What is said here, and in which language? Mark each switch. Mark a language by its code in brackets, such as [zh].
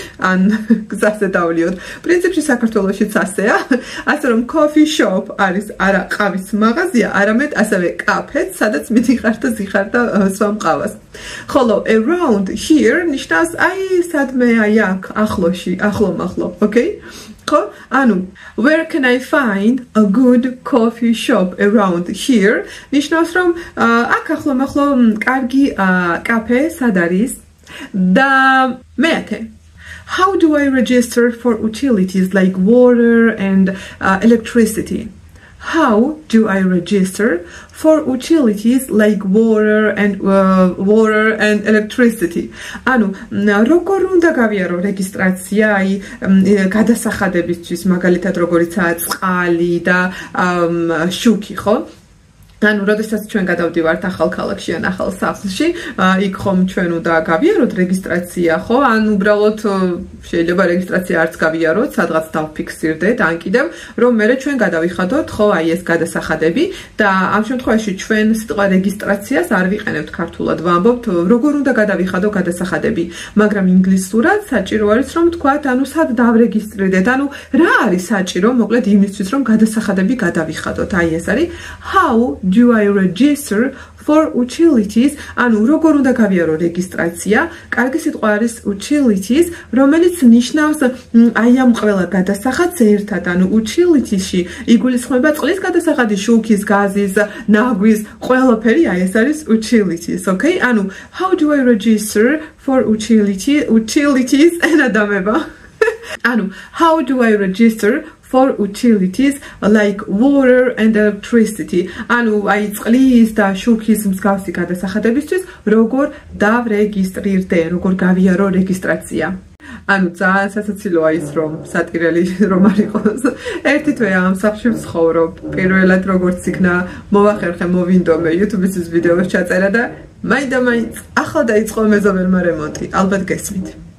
[ka] ან გზაზე დავლიოთ. პრინციპში საქართველოშიც ასეა. ასე რომ coffee shop არის არა ყავის მაღაზია, არამედ ასევე კაფე, სადაც მიდიხართ და ზიხართ და სვამ ყავას. ხოლო around here ნიშნავს აი სადმე აი აქ ახლოში, ახლო მახლო, ოკეი? ხო? ანუ [en] where can I find a good coffee shop around here? [ka] ნიშნავს რომ აქ ახლო მახლო კარგი კაფე სად არის? და მეათე [en] How do I register for utilities like water and electricity? How do I register for utilities like water and water and electricity? [ka] Ანუ როგორ უნდა გავიარო რეგისტრაცია აი გადასახადებისთვის, მაგალითად როგორიცაა წყალი და შუქი, ხო? ანუ როდესაც ჩვენ გადავდივართ ახალ ქალაქში ან ახალ სახლში, იქ ხომ ჩვენ უნდა გავიაროთ რეგისტრაცია, ხო? ან უბრალოდ შეიძლება რეგისტრაცია არც გავიაროთ, სადღაც დავფიქსირდეთ ან კიდევ, რომ მე ჩვენ გადავიხადოთ, ხო, აი ეს გადასახადები და ამ შემთხვევაში ჩვენ სიტყვა რეგისტრაციას არ ვიყენებთ ქართულად, ვამბობთ, როგორ უნდა გადავიხადო გადასახადები, მაგრამ ინგლისურად საჭირო არის რომ თქვათ, ანუ სად დავრეგისტრირდეთ, ანუ რა არის საჭირო, მოკლედ იმისთვის რომ გადასახადები გადავიხადოთ. აი ეს არის [en] how Do I register for utilities? [ka] ანუ როგორ უნდა გავიარო რეგისტრაცია? კარგი სიტყვა არის utilities, რომელიც ნიშნავს აი ამ ყველა გადასახადს ერთად. ანუ utilities-ში იგულისხმება წყლის გადასახადი, შუქის, გაზის, ნაგვის, ყველაფერი, აი ეს არის utilities, ოკეი? ანუ [en] how do I register for utilities? ენადამება. [ka] ანუ [en] how do I register for utilities like water and electricity. [ka] ანუ აი წყლის და შუქის მსგავსი გადასახადებისთვის როგორ დავრეგისტრირდე, როგორ გავიარო რეგისტრაცია. ანუ ძალიან სასაცილოა ის რომ სატირელი რომ არიყოს. ერთი თვე ამ სახლში ვცხოვრობ. პირველად როგორც იქნა მოახერხე მოვინდომე YouTube-ის ვიდეოს ჩაწერა და მაინდამაინც ახლა დაიწყო მეზობელმა რემონტი. ალბათ გესმით.